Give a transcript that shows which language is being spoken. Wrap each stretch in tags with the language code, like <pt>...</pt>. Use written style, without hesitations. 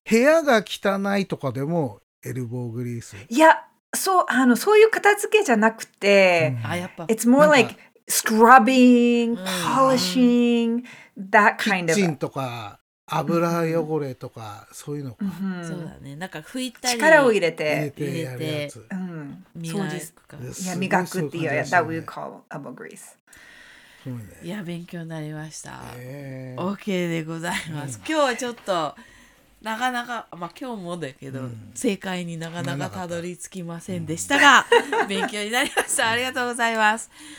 <ja>部屋が汚いとかでもエルボーグリース。いや、そう、あの、そういう片付けじゃなくて、うん、あ、やっぱ。</ja> <en>It's more like scrubbing, polishing, that kind of.</en> <ja>キッチンとか。油汚れとか、うん、そういうのか、うん、そうだね、なんか拭いたり力を入れて入れてやるやつ、うん、磨くか、磨くっていう、ね、</ja> <en>that we call elbow grease、</en> <ja>ね、いや勉強になりました、OK でございます、うん、今日はちょっとなかなか、まあ今日もだけど、うん、正解になかなかたどり着きませんでしたが、うん、勉強になりました、ありがとうございます。</ja>